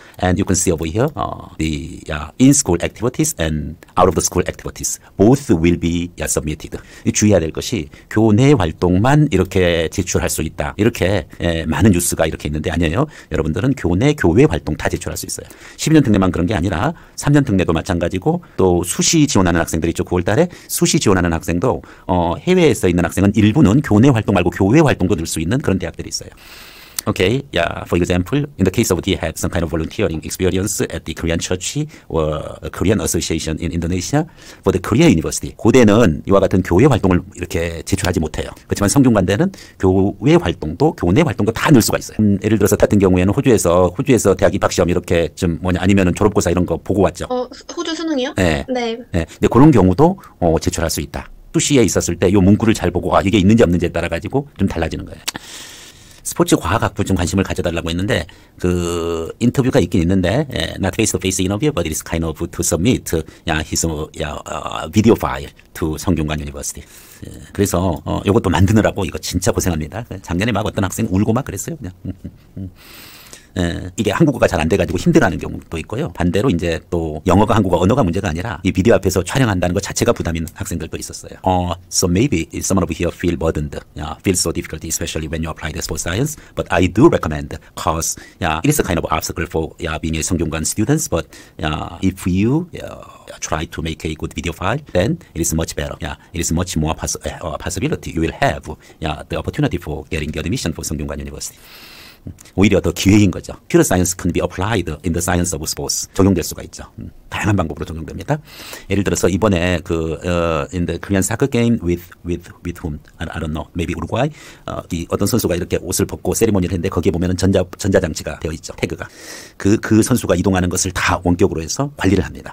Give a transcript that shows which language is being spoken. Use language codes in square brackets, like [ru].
[en] And you can see over here the in-school activities and out-of-the-school activities. Both will be submitted. [ko] 주의해야 될 것이 교내 활동만 이렇게 제출할 수 있다. 이렇게 많은 뉴스가 이렇게 있는데 아니에요. 여러분들은 교내, 교외 활동 다 제출할 수 있어요. 12년 특례만 그런 게 아니라 3년 특례도 마찬가지고 또 수시 지원하는 학생들 있죠. 9월 달에 수시 지원하는 학생도 해외에서 있는 학생은 일부는 교내 활동 말고 교외 활동도 들 수 있는 그런 대학들이 있어요. [en] Okay, for example, in the case of D, had some kind of volunteering experience at the Korean Church or Korean Association in Indonesia for the Korea University. [ko] 고대는 이와 같은 교회 활동을 이렇게 제출하지 못해요. 그렇지만 성균관대는 교회 활동도 교내 활동도 다 넣을 수가 있어요. 예를 들어서 같은 경우에는 호주에서 대학 입학시험 이렇게 좀 뭐냐, 아니면은 졸업고사 이런 거 보고 왔죠. 호주 수능이요? 네. 네. 네. 근데 그런 경우도 제출할 수 있다. 수시에 있었을 때 이 문구를 잘 보고 이게 있는지 없는지에 따라가지고 좀 달라지는 거예요. 스포츠 과학학부 좀 관심을 가져달라고 했는데 그 인터뷰가 있긴 있는데 [en] not face to face interview but it's kind of to submit his video file to 성균관 University. [ko] 그래서 이것도 만드느라고 이거 진짜 고생합니다. 작년에 막 어떤 학생 울고 막 그랬어요. 그냥. 이게 한국어가 잘 안 돼가지고 힘들어하는 경우도 있고요. 반대로 이제 또 영어가 한국어 언어가 문제가 아니라 이 미디어 앞에서 촬영한다는 것 자체가 부담인 학생들도 있었어요. [en] So maybe someone over here feel burdened. Feel so difficult, especially when you apply this for science. But I do recommend cause. It is a kind of obstacle for being a 성균관 students. But if you try to make a good video file, then it is much better. It is much more possibility. You will have the opportunity for getting the admission for 성균관 University. [ko] 오히려 더 기회인 거죠. [en] Pure science can be applied in the science of sports. [ko] 적용될 수가 있죠. 다양한 방법으로 적용됩니다. 예를 들어서 이번에 그 [en] in the Korean soccer game with whom I don't know maybe Uruguay [ko] 이 어떤 선수가 이렇게 옷을 벗고 세리머니를 했는데 거기에 보면은 전자장치가 되어 있죠. 태그가 그 선수가 이동하는 것을 다 원격으로 해서 관리를 합니다.